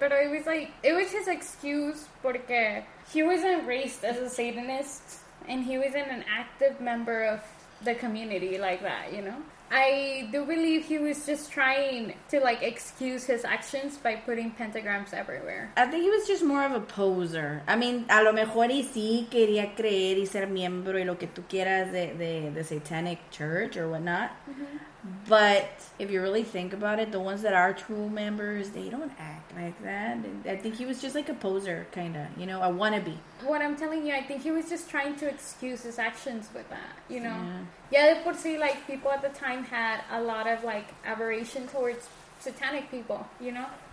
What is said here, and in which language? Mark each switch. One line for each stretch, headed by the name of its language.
English: But it was like, it was his excuse
Spanish: porque
English: he wasn't raised as a Satanist and he wasn't an active member of the community like that, you know? I do believe he was just trying to, like, excuse his actions by putting pentagrams everywhere. I think he was just more of a poser. I mean,
Spanish: a lo mejor y sí quería creer y ser miembro y lo que tú quieras de
English: Satanic Church or whatnot. Mm-hmm. But if you really think about it, the ones that are true members, they don't act like that. And I think he was just, like, a poser, kind of, you know, a wannabe. What I'm telling you, I think he was just trying to excuse his actions with that, you know? Yeah, of course, like, people at the time had a lot of, like, aberration towards satanic people, you know?